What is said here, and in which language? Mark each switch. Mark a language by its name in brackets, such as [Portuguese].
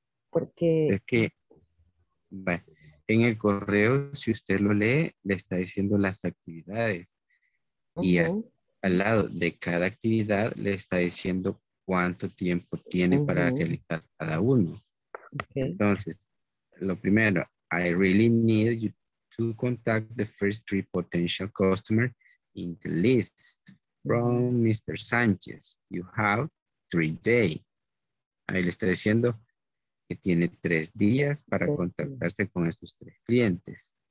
[Spanish] Porque... Es que... Bueno. En el correo, si usted lo lee, le está diciendo las actividades. Uh-huh. Y al lado de cada actividad, le está diciendo cuánto tiempo tiene uh-huh. para realizar cada uno. Okay. Entonces, lo primero, [English] I really need you to contact the first 3 potential customers in the list from Mr. Sánchez. You have 3 days. [Spanish] Ahí le está diciendo... Que tiene 3 días para contactarse con esos 3 clientes.